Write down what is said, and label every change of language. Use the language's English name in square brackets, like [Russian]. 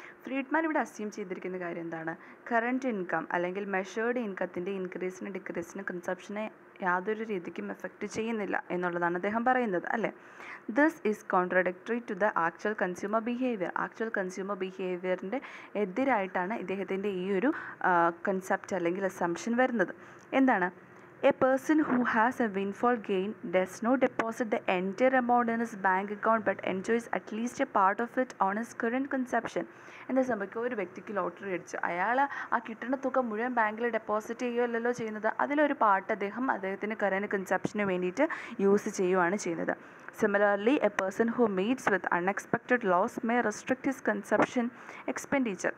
[Malayalam] Friedman ഇവിടെ assume ചെയ്തിരിക്കുന്ന കാര്യം എന്താണ്? കറൻറ്റ് ഇൻകം അല്ലെങ്കിൽ മെഷേർഡ് ഇൻകത്തിൻ്റെ ഇൻക്രീസിനും ഡിക്രീസിനും കൺസെപ്ഷനെ യാതൊരു രീതിക്കും എഫക്റ്റ് ചെയ്യുന്നില്ല എന്നുള്ളതാണ് അദ്ദേഹം പറയുന്നത് അല്ലേ. [English] This is contradictory to the actual consumer behaviour. [Malayalam] Actual consumer ബിഹേവിയറിൻ്റെ എതിരായിട്ടാണ് ഇദ്ദേഹത്തിൻ്റെ ഈ ഒരു കൺസെപ്റ്റ് അല്ലെങ്കിൽ അസംപ്ഷൻ വരുന്നത്. എന്താണ്? [English] A person who has a windfall gain does not deposit the entire amount in his bank account but enjoys at least a part of it on his current consumption. [Malayalam] എന്താ സംഭവിക്കുക, ഒരു വ്യക്തിക്ക് lottery അടിച്ചു, അയാൾ ആ കിട്ടുന്ന തുക മുഴുവൻ ബാങ്കിൽ ഡെപ്പോസിറ്റ് ചെയ്യുകയല്ലോ ചെയ്യുന്നത്, അതിലൊരു പാർട്ട് അദ്ദേഹം അദ്ദേഹത്തിൻ്റെ കറൻറ്റ് കൺസപ്ഷന് വേണ്ടിയിട്ട് യൂസ് ചെയ്യുകയാണ് ചെയ്യുന്നത്. [English] Similarly a person who meets with unexpected loss may restrict his consumption expenditure.